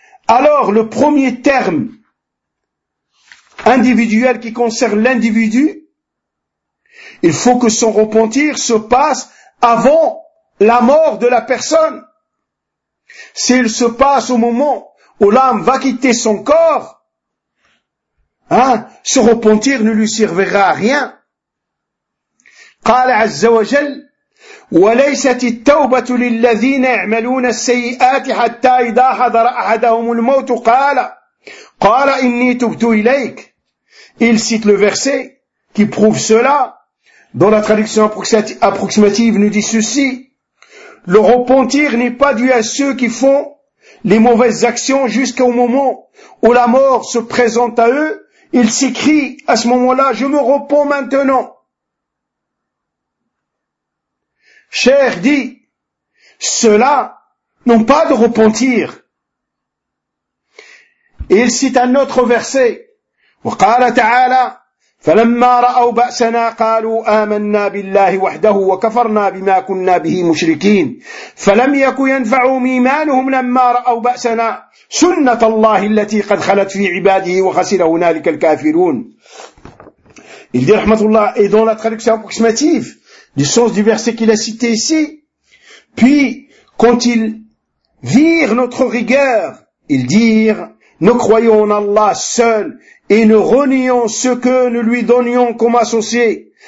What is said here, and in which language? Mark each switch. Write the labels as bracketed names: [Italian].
[French] Alors, le premier terme individuel qui concerne l'individu, il faut que son repentir se passe avant la mort de la personne. S'il se passe au moment où l'âme va quitter son corps, hein, se repentir ne lui servira à rien. [Arabic] قال عز وجل وليست التوبة للذين يعملون السيئات حتى إذا حضر أحدهم الموت قال إني تبت إليك. [French] Il cite le verset qui prouve cela. Dans la traduction approximative, nous dit ceci: le repentir n'est pas dû à ceux qui font les mauvaises actions jusqu'au moment où la mort se présente à eux, il s'écrie à ce moment-là, je me repens maintenant. Cheikh dit, ceux-là n'ont pas de repentir. Et il cite un autre verset. [Arabic] وقال تعالى فلما رأوا بأسنا قالوا آمنا بالله وحده وكفرنا بما كنا به مشركين فلم يكن ينفعهم إيمانهم لما رأوا بأسنا سنة الله التي قد خلت في عباده وخسر هنالك الكافرون. [French] Il dit rahmatullah, et dans la traduction approximative du sens du verset qu'il a cité ici, puis quand ils virent notre rigueur, ils dirent, nous croyons en Allah seul et ne renions ce que nous lui donnions comme associés.